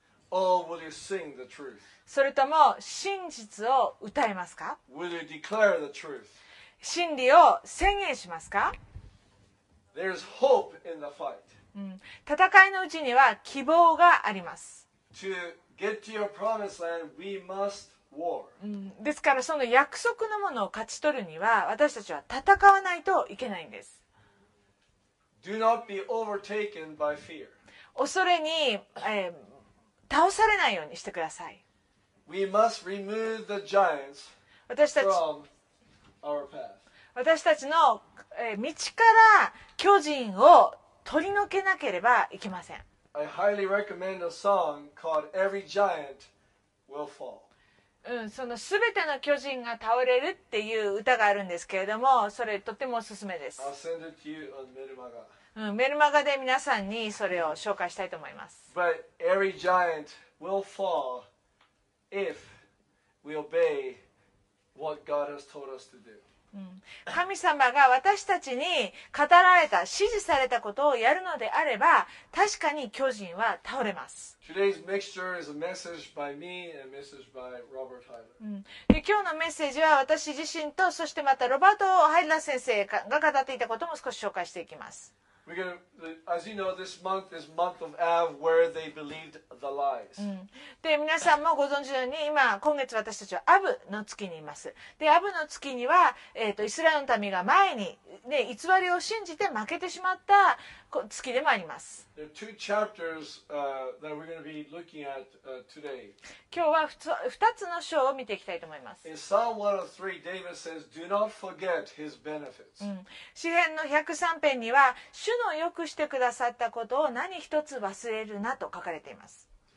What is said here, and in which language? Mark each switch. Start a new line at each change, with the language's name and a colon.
English: Or will you sing the truth?
Japanese: それとも真実を歌いますか？
English: Will you declare the truth?
Japanese: 真理を宣言しますか？
English: There's hope in the fight.
Japanese: 戦いのうちには希望があります。
English: To get to your promised land, we must war.
Japanese: ですからその約束のものを勝ち取るには私たちは戦わないといけないんです。
English: Do not be overtaken by fear.
Japanese: 恐れに、倒されないようにしてください。
English: We must remove the giants from our path.
Japanese: 私たちの、道から巨人を取り除けなければいけません。
English: I highly recommend a song called Every Giant Will Fall.
Japanese: その全ての巨人が倒れるっていう歌があるんですけれども、それとてもおすすめです。
English: I'll send it to you on メルマガ。
Japanese: メルマガで皆さんにそれを紹介したいと思います。
English: But every giant will fall if we obey what God has told us to do.
Japanese: 神様が私たちに語られた、指示されたことをやるのであれば、確かに巨人は倒れます。
English: Today's mixture is a message by me and a message by Robert Heidler.
Japanese: で、今日のメッセージは私自身と、そしてまたロバート・ハイラー先生が語っていたことも少し紹介していきます。
English: As you know, this month is month of Av, where they believed the lies.
Japanese: で、皆さんもご存知のように、今月私たちはアブの月にいます。で、アブの月には、イスラエルの民が前に、ね、偽りを信じて負けてしまった月でもあります。
English: There are two chapters, that we're going to be looking at, today.
Japanese: 今日は2つの章を見ていきたいと思います。
English: In Psalm 103, David says, Do not forget his benefits.
Japanese: 詩編の103編には、主の良くしてくださったことを何一つ忘れるなと書かれています。